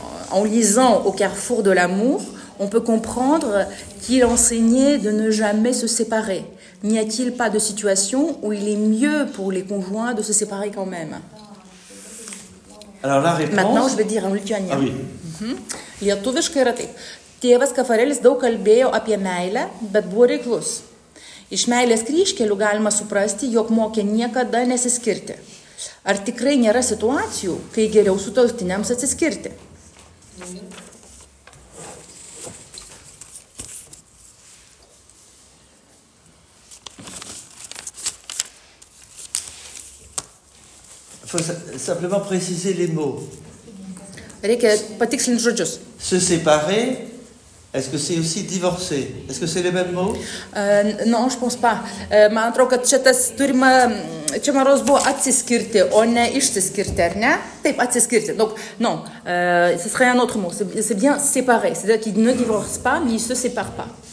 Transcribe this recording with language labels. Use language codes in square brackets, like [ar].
[fr] En lisant au carrefour de l'amour, on peut comprendre qu'il enseignait de ne jamais se séparer. N'y a-t-il pas de situation où il est mieux pour les conjoints de se séparer quand même? Alors la réponse... Maintenant, je vais dire en lituanien. Ah oui. [lt] Lietuviškai yra taip. Tėvas Kafarelis daug kalbėjo apie meilę, bet buvo reiklus. Iš meilės kryžkelių galima suprasti, jog mokė niekada nesiskirti. Ar tikrai nėra situacijų, kai geriau sutuoktiniams atsiskirti? [fr] Faut simplement préciser les mots. [lt] Reikia patikslinti žodžius. [fr] Se séparer, est-ce que c'est aussi divorcer? Est-ce que c'est les mêmes mots? Non, je pense pas. [lt] Man atrodo, kad čia tas turima, čia maros buvo atsiskirti, o ne išsiskirti, ar ne? Taip, atsiskirti. [fr] Donc, non, ce serait un autre mot. C'est bien séparer. C'est-à-dire qu'il ne divorce pas, mais il se sépare pas.